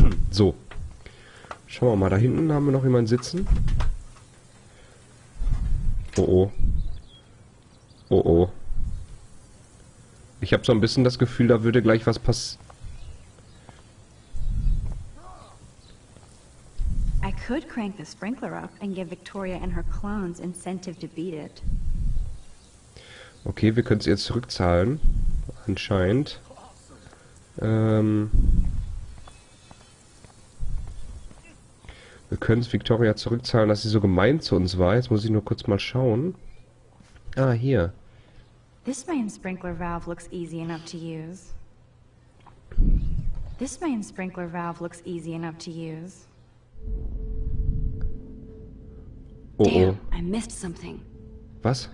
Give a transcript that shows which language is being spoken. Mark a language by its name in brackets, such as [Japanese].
[German] So. Schauen wir mal, da hinten haben wir noch jemanden sitzen. Oh oh. Oh oh. Ich habe so ein bisschen das Gefühl, da würde gleich was passieren. [English] Could crank the sprinkler up and give Victoria and her clones incentive to beat it. [German] Okay, wir können es ihr zurückzahlen. Anscheinend. Wir können es Victoria zurückzahlen, dass sie so gemein zu uns war. Jetzt muss ich nur kurz mal schauen. Ah, hier. [English] This main sprinkler valve looks easy enough to use. This main sprinkler valve looks easy enough to use. Oh, oh. Damn, I missed something. [German] Was?